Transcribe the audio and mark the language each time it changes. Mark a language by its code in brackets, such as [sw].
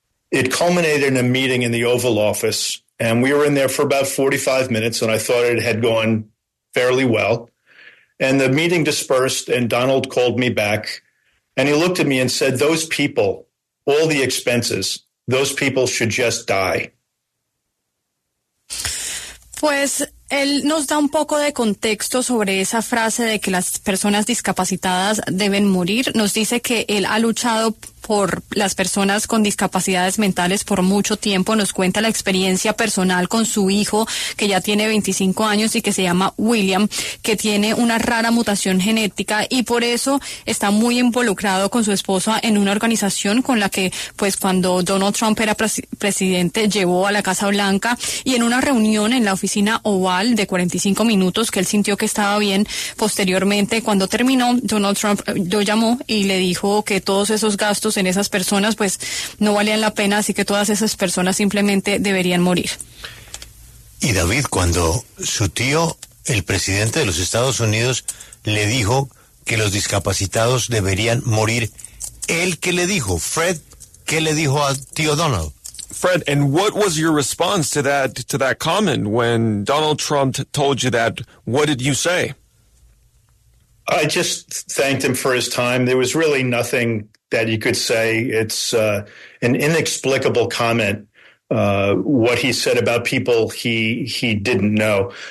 [en] It culminated in a meeting in the Oval Office, and we were in there for about 45 minutes, and I thought it had gone fairly well. And the meeting dispersed, and Donald called me back, and he looked at me and said, those people, all the expenses, those people should just die. [es] Pues él nos da un poco de contexto sobre esa frase de que las personas discapacitadas deben morir. Nos dice que él ha luchado por las personas con discapacidades mentales por mucho tiempo. Nos cuenta la experiencia personal con su hijo, que ya tiene 25 años y que se llama William, que tiene una rara mutación genética y por eso está muy involucrado con su esposa en una organización con la que, pues, cuando Donald Trump era presidente, llevó a la Casa Blanca, y en una reunión en la oficina Oval de 45 minutos, que él sintió que estaba bien, posteriormente, cuando terminó, Donald Trump lo llamó y le dijo que todos esos gastos en esas personas, pues, no valían la pena, así que todas esas personas simplemente deberían morir. Y David, cuando su tío, el presidente de los Estados Unidos, le dijo que los discapacitados deberían morir, ¿él qué le dijo? Fred, ¿qué le dijo a tío Donald? [en] Fred, and what was your response to that comment when Donald Trump told you that? What did you say? I just thanked him for his time. There was really nothing that you could say. It's an inexplicable comment, what he said about people he didn't know.